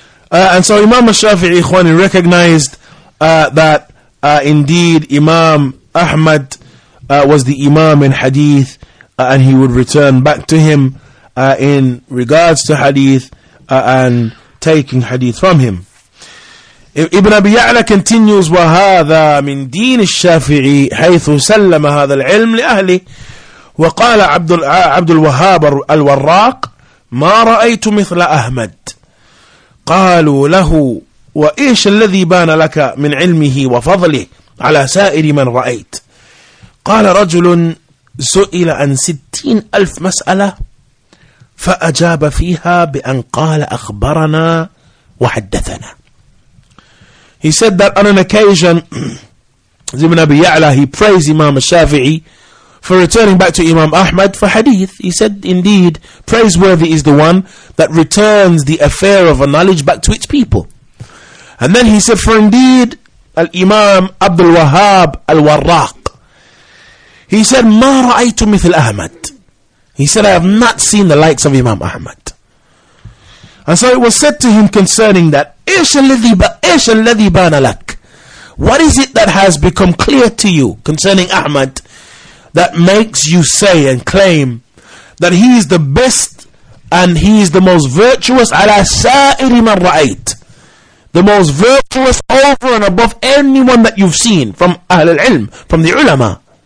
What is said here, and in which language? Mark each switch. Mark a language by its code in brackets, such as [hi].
[en] And so Imam Shafi'i, ikhwani, recognized that indeed Imam Ahmad was the Imam in Hadith, and he would return back to him in regards to Hadith and taking Hadith from him. Ibn Abi Ya'la continues, [ar] وَهَذَا مِنْ دِينِ الشَّافِعِي حَيْثُ سَلَّمَ هَذَا الْعِلْمِ لِأَهْلِهِ وقال عبد الوهاب الوراق ما رأيت مثل أحمد قالوا له وإيش الذي بان لك من علمه وفضله على سائر من رأيت قال رجل سئل عن 60,000 مسألة فأجاب فيها بأن قال أخبرنا وحدثنا. [en] He said that on an occasion Ibn Abi Ya'la, he praised Imam Shafi'i for returning back to Imam Ahmad for hadith. He said, indeed, praiseworthy is the one that returns the affair of a knowledge back to its people. And then he said, for indeed, Al-Imam Abdul Wahhab Al-Warraq. He said, [ar] ما رأيت مثل أحمد. [en] He said, I have not seen the likes of Imam Ahmad. And so it was said to him concerning that, [ar] إيش الذي بان لك. [en] What is it that has become clear to you concerning Ahmad, that makes you say and claim that he is the best and he is the most virtuous, [ar] ala sa'iri man ra'ayt, [en] the most virtuous over and above anyone that you've seen from Ahl al-Ilm, from the ulama?